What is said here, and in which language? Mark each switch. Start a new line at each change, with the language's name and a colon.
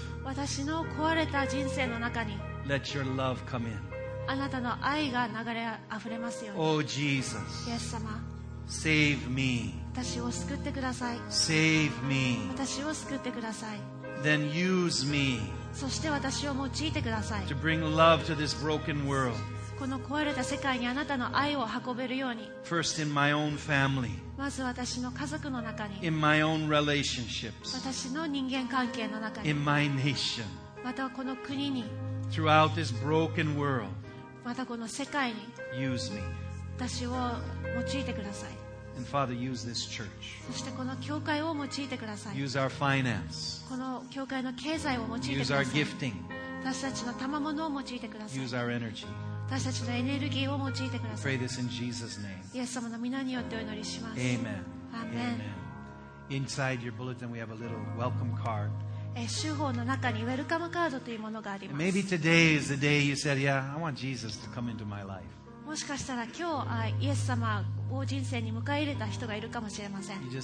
Japanese: 私の壊れた人生の中に
English: Let your love come in.
Japanese: あなたの愛が流れあふれますよ
English: Oh Jesus.
Japanese: イエス様
English: Save me.
Japanese: 私を救ってください
English: Save me.
Japanese: 私を救ってください
English: then use me
Japanese: そして私を用いてください
English: to bring love to this broken world
Japanese: この壊れた世界にあなたの愛を運べるように
English: first in my own family
Japanese: まず私の家族の中に
English: in my own relationships
Japanese: 私の人間関係の中に
English: in my nation
Japanese: またこの国に
English: throughout this broken world
Japanese: またこの世界に
English: use me
Japanese: 私を用いてください
English: And Father, use this church.
Japanese: そしてこの教会を用いてください。
English: Use our finance.
Japanese: この教会の経済を用いてください。
English: Use our gifting.
Japanese: 私たちの賜物を用いてください。
English: Use our energy.
Japanese: 私たちのエネルギーを用いてください。
English: Pray this in Jesus' name.
Japanese: イエス様の名によってお祈りします。
English: Amen. Amen. Amen. Inside your bulletin, we have a little welcome card.
Japanese: 集報の中にウェルカムカードというものがあります。
English: Maybe today is the day you said, "Yeah, I want Jesus to come into my life."
Japanese: もしかしたら今日イエス様を人生に迎え入れた人がいるかもしれません。